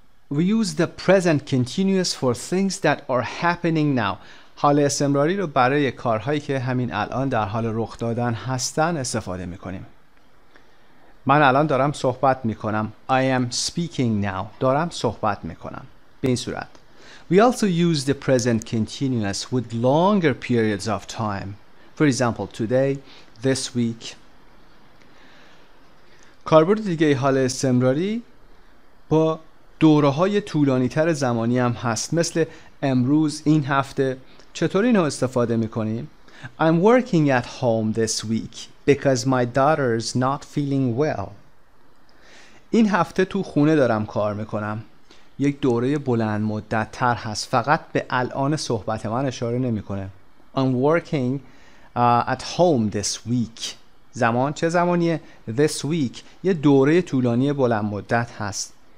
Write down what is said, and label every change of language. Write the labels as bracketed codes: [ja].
[en] We use the present continuous for things that are happening now. [fa] حال استمراری رو برای کارهایی که همین الان در حال رخ دادن هستن استفاده میکنیم. من الان دارم صحبت میکنم. [en] I am speaking now. [fa] دارم صحبت میکنم. به این صورت. [en] We also use the present continuous with longer periods of time. For example, today, this week. [fa] کاربرد دیگه حال استمراری با دوره های طولانی تر زمانی هم هست، مثل امروز، این هفته. چطور اینو استفاده میکنیم؟ [en] I'm working at home this week because my daughter's not feeling well. [fa] این هفته تو خونه دارم کار میکنم. یک دوره بلند مدت تر هست. فقط به الان صحبت من اشاره نمیکنه. [en] I'm working at home this week. [fa] زمان چه زمانیه؟ This week یه دوره طولانی بلند مدت هست.